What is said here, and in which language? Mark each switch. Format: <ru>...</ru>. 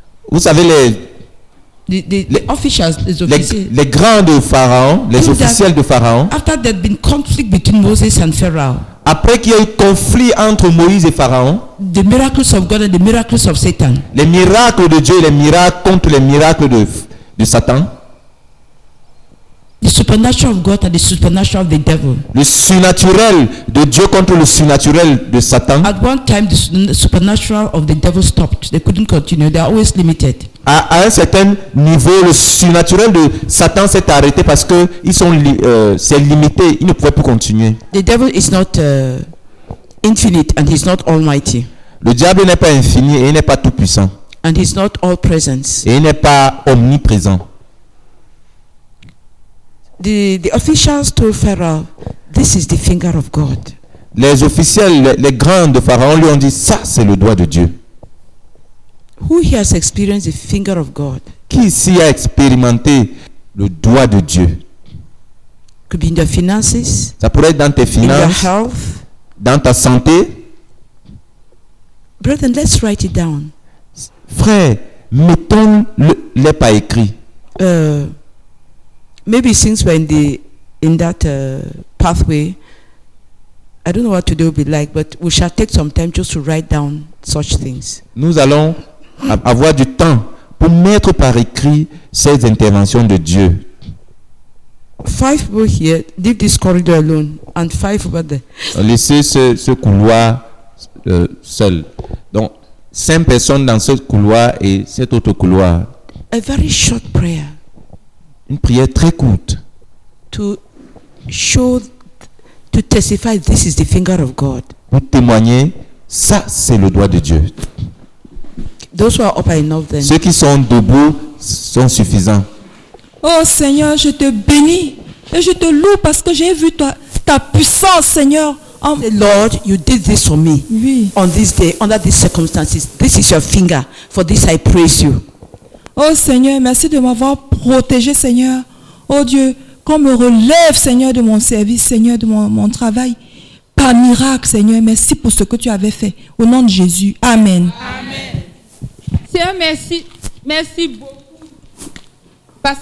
<fr>Vous savez les grands de Pharaon, les officiels de Pharaon.</fr> <en>After there had been conflict between Moses and Pharaoh.</en> <fr>Après qu'il y ait eu conflit entre Moïse et Pharaon.</fr> <en>The miracles of God and the miracles of Satan.</en> <fr>Les miracles de Dieu et les miracles contre les miracles de Satan.</fr> <en>The supernatural of God and the supernatural of the devil.</en> <fr>Le surnaturel de Dieu contre le surnaturel de Satan.</fr> <en>At one time, the supernatural of the devil stopped. They couldn't continue. They are always limited.</en> <fr>À un certain niveau, le surnaturel de Satan s'est arrêté parce que ils sont c'est limité. Ils ne pouvaient plus continuer.</fr> <en>The devil is not infinite and he's not almighty.</en> <fr>Le diable n'est pas infini et il n'est pas tout puissant.</fr> <en>And he's not all presence.</en> <fr>Et il n'est pas omniprésent.</fr> <en>The officials told Pharaoh, "This is the finger of God."</en> <fr>Les officiels, les grands de Pharaon lui ont dit, ça c'est le doigt de Dieu.</fr> <en>Who has experienced the finger of God?</en> <fr>Qui ici a expérimenté le doigt de Dieu?</fr> <en>Could be in your finances.</en> <fr>Ça pourrait être dans tes finances.</fr> <en>In your health.</en> <fr>Dans ta santé.</fr> <en>Brethren, let's write it down.</en> <fr>Frère, mettons-le par écrit.</fr> <en>Maybe since we're in that pathway, I don't know what today will be like, but we shall take some time just to write down such things.</en> <fr>Nous allons avoir du temps pour mettre par écrit ces interventions de Dieu.</fr> <en>5 people here, leave this corridor alone, and 5 over there.</en> <fr>Laissez ce couloir seul. Donc, 5 personnes dans ce couloir et cet autre couloir.</fr> <en>A very short prayer.</en> <fr>Une prière très courte.</fr> <en>To show, to testify, this is the finger of God.</en> <fr>Pour témoigner, ça c'est le doigt de Dieu.</fr> <en>Those who are up are enough then.</en> <fr>Ceux qui sont debout sont suffisants. Oh Seigneur, je te bénis et je te loue parce que j'ai vu ta puissance, Seigneur.</fr> <en>The Lord, you did this for me.</en> <fr>Oui.</fr> <en>On this day, under these circumstances, this is your finger. For this, I praise you.</en> <fr>Oh Seigneur, merci de m'avoir protégé, Seigneur. Oh Dieu, qu'on me relève, Seigneur, de mon service, Seigneur, de mon travail. Par miracle, Seigneur, merci pour ce que tu avais fait. Au nom de Jésus, amen. Amen. Seigneur, merci. Merci beaucoup.</fr>